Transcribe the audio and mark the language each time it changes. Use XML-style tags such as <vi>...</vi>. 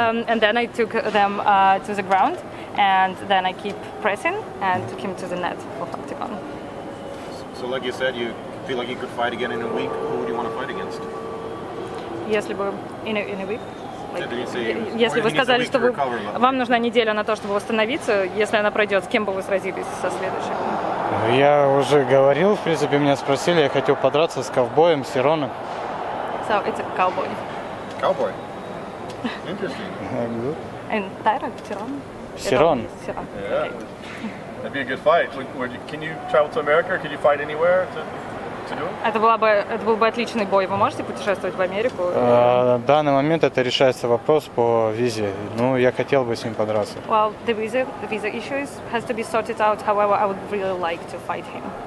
<en>And then I took them to the ground, and then I keep pressing and took him to the net of Octagon. So like you said, you feel like you could fight again in a week. Who would you want to fight against?</en> <ru>Если бы</ru> <en>in a week.</en> <ru>Если вы сказали, что вам нужна неделя на то, чтобы восстановиться, если она пройдет, с кем бы вы сразились со следующим? Я уже говорил, в принципе, меня спросили, я хотел подраться с ковбоем, с Сироном.</ru> <en>So, it's a cowboy. Cowboy? Interesting. Good. And Tyra, Сирон?</en> <ru>Сирон. Сирон.</ru> <en>That'd be a good fight. Can you travel to America? Can you fight anywhere to do?</en> <ru>Это был бы отличный бой. Вы можете путешествовать в Америку? В данный момент это решается вопрос по визе. Ну, я хотел бы с ним подраться.</ru> <en>Well, the visa issue has to be sorted out. However, I would really like to fight him.</en>